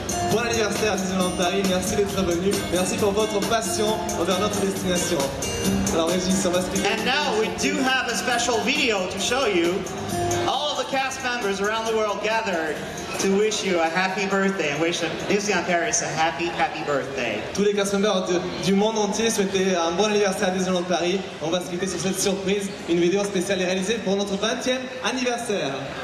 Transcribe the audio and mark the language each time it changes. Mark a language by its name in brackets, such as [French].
[French] Bon anniversaire à Disneyland Paris, merci d'être venu, merci pour votre passion envers notre destination. Alors Régis, on va se [English] And now we do have a special video to show you. All of the cast members around the world gathered to wish you a happy birthday and wish Disneyland Paris a happy, happy birthday. [French] Tous les cast members du monde entier souhaitaient un bon anniversaire à Disneyland Paris. On va se quitter sur cette surprise, une vidéo spéciale est réalisée pour notre 20e anniversaire.